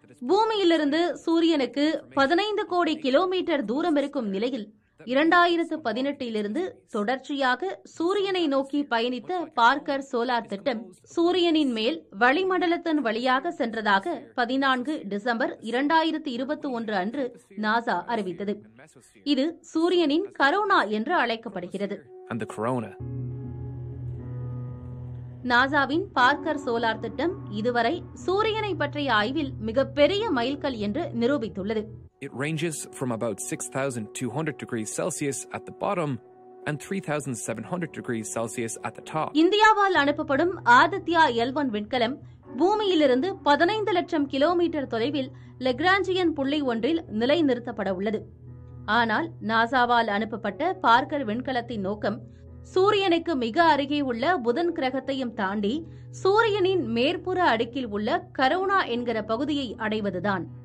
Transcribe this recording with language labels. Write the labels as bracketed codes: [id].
[ta] பூமியிலிருந்து சூரியனுக்கு 15 கோடி கிலோமீட்டர் தூரம் இருக்கும் நிலையில் 2018 தொடர்ச்சியாக சூரியனை நோக்கி பயணித்த பார்க்கர் சோலார் திட்டம் சூரியனின் மேல் வளிமண்டலத்தின் வழியாக சென்றதாக 14 டிசம்பர் 2021 அன்று நாசா அறிவித்தது. இது சூரியனின் கரோனா என்று அழைக்கப்படுகிறது. நாசாவின் பார்க்கர் சோலார் திட்டம் இதுவரை சூரியனை பற்றிய ஆய்வில் மிகப்பெரிய மைல்கல் என்று நிரூபித்துள்ளது. [en] It ranges from about 6,200 degrees Celsius at the bottom and 3,700 degrees Celsius at the top. [ta] இந்தியாவால் அனுப்பப்படும் ஆதித்யா L1 விண்கலம் பூமியிலிருந்து 1,500,000 கிலோமீட்டர் தொலைவில் லெக்ராஞ்சியன் புள்ளி ஒன்றில் நிலைநிறுத்தப்பட உள்ளது. ஆனால் நாசாவால் அனுப்பப்பட்ட பார்க்கர் விண்கலத்தின் நோக்கம் சூரியனுக்கு மிக அருகே உள்ள புதன் கிரகத்தையும் தாண்டி சூரியனின் மேற்புற அடுக்கில் உள்ள கரோனா என்கிற பகுதியை அடைவதுதான்.